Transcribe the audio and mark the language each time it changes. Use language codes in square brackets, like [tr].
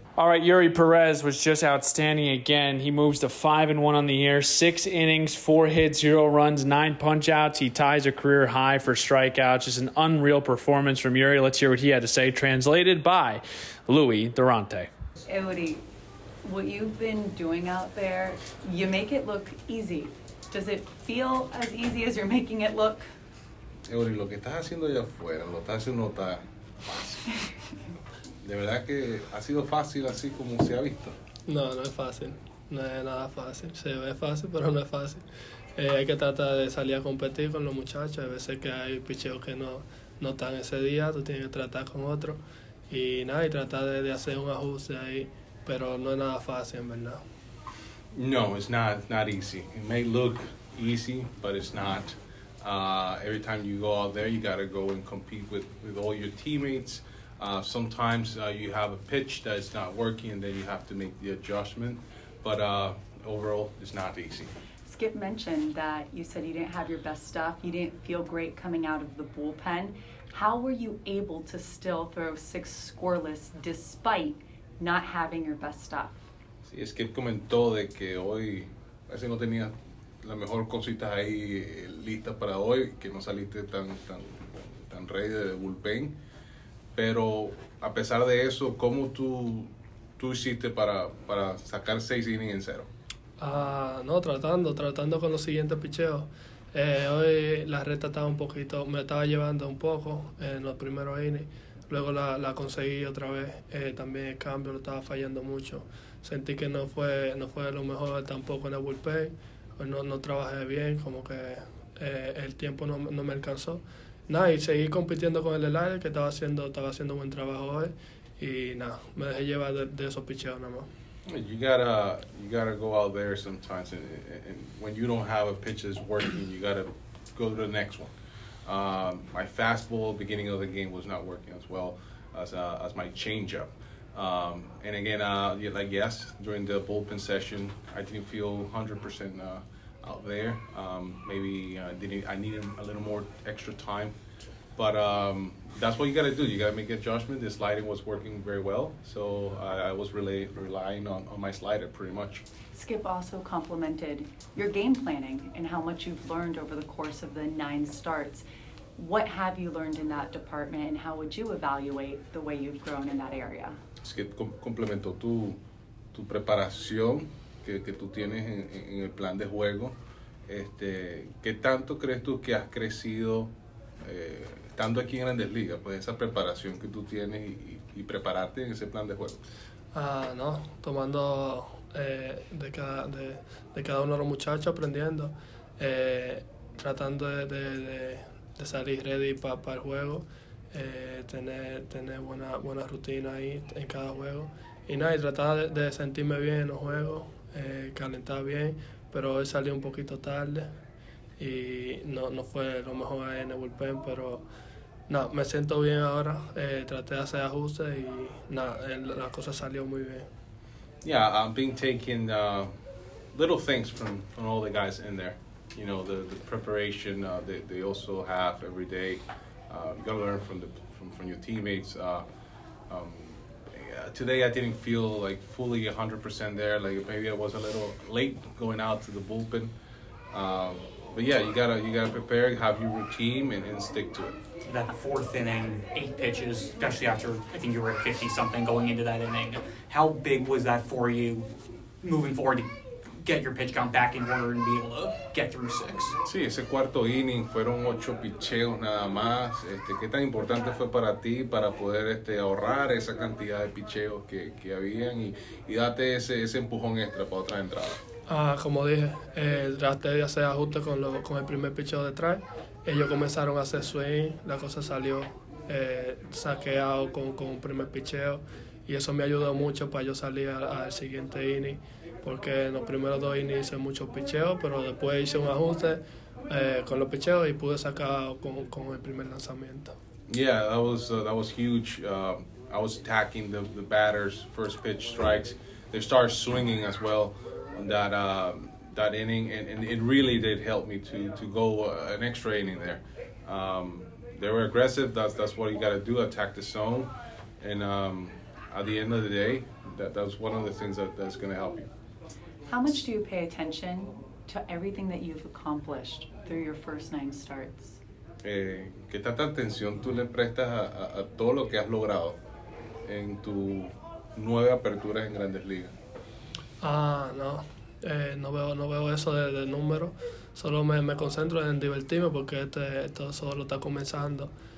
[en] All right, Yuri Perez was just outstanding again. He moves to 5-1 on the year, 6 innings, 4 hits, 0 runs, 9 punch-outs. He ties a career high for strikeouts. Just an unreal performance from Yuri. Let's hear what he had to say, translated by Louis Durante. Hey, Woody, what you've been doing out there, you make it look easy. Does it feel as easy as you're making it look? [es] Hey, Woody, lo que estás haciendo allá afuera, lo estás haciendo está fácil. De verdad que ha sido fácil así como se ha visto. No, no es fácil. No es nada fácil. Se ve fácil, pero no es fácil. Hay que tratar de salir a competir con los muchachos. Hay veces que hay picheos que no están ese día. Tú tienes que tratar con otro. Y nada, y tratar de hacer un ajuste ahí. Pero no es nada fácil, en verdad. [en] No, it's not easy. It may look easy, but it's not. Every time you go out there, you got to go and compete with all your teammates. Sometimes you have a pitch that is not working, and then you have to make the adjustment. But overall, it's not easy. Skip mentioned that you said you didn't have your best stuff. You didn't feel great coming out of the bullpen. How were you able to still throw 6 scoreless despite not having your best stuff? [es] Sí, Skip comentó de que hoy parece no tenía la mejor cosita ahí lista para hoy, que no saliste tan ready de bullpen. Pero a pesar de eso, ¿cómo tú hiciste para sacar 6 innings en cero? No, tratando con los siguientes picheos. Hoy la recta estaba un poquito, me estaba llevando un poco en los primeros innings. Luego la conseguí otra vez. También el cambio lo estaba fallando mucho. Sentí que no fue lo mejor tampoco en el bullpen. No trabajé bien, como que el tiempo no me alcanzó. Nada, y seguí compitiendo con el Elias, que estaba haciendo un buen trabajo hoy, y nada, me dejé llevar de esos picheos nada más. [en] You gotta go out there sometimes, and when you don't have a pitch that's working, you gotta go to the next one. My fastball beginning of the game was not working as well as my changeup. And again, during the bullpen session, I didn't feel 100% out there. I needed a little more extra time, but that's what you got to do. You got to make adjustment. This lighting was working very well, so I was really relying on my slider pretty much. Skip also complimented your game planning and how much you've learned over the course of the 9 starts. What have you learned in that department, and how would you evaluate the way you've grown in that area? [es] Skip complementó tu preparación que tú tienes en el plan de juego. ¿Qué tanto crees tú que has crecido estando aquí en Grandes Ligas? Pues esa preparación que tú tienes y prepararte en ese plan de juego. No, tomando de cada uno de los muchachos, aprendiendo, tratando de salir ready para el juego, tener buena rutina ahí en cada juego. Y nada, y tratar de sentirme bien en los juegos, calentar bien, pero hoy salí un poquito tarde y no fue lo mejor ahí en el bullpen, pero no, me siento bien ahora, traté de hacer ajustes y nada, la cosa salió muy bien. [en] Yeah, I've been taking little things from all the guys in there. You know, the preparation they also have every day. You gotta learn from your teammates. Today I didn't feel like fully 100% there. Like maybe I was a little late going out to the bullpen. But yeah, you gotta prepare, have your routine, and stick to it. That fourth inning, 8 pitches, especially after I think you were at 50 something going into that inning. How big was that for you, moving forward, to get your pitch count back in order and be able to get through 6? [es] Sí, ese cuarto inning fueron 8 picheos nada más. ¿Qué tan importante fue para ti para poder ahorrar esa cantidad de picheos que habían y date ese empujón extra para otra entrada? Como dije, traté de hacer ajustes con el primer picheo detrás. Ellos comenzaron a hacer swing, la cosa salió saqueado con un primer picheo y eso me ayudó mucho para yo salir al siguiente inning, porque en los primeros dos innings hice muchos picheos, pero después hice un ajuste con los picheos y pude sacar con el primer lanzamiento. [en] Yeah, that was huge. I was attacking the batters, first pitch strikes. They started swinging as well on that that inning, and it really did help me to go an extra inning there. They were aggressive. That's what you got to do, attack the zone. And at the end of the day, that's one of the things that's going to help you. How much do you pay attention to everything that you've accomplished through your first 9 starts? [es] ¿Qué tanta atención tú le prestas a todo lo que has logrado en tu 9 aperturas en Grandes Ligas? No veo eso de números, solo me concentro en divertirme porque esto solo está comenzando.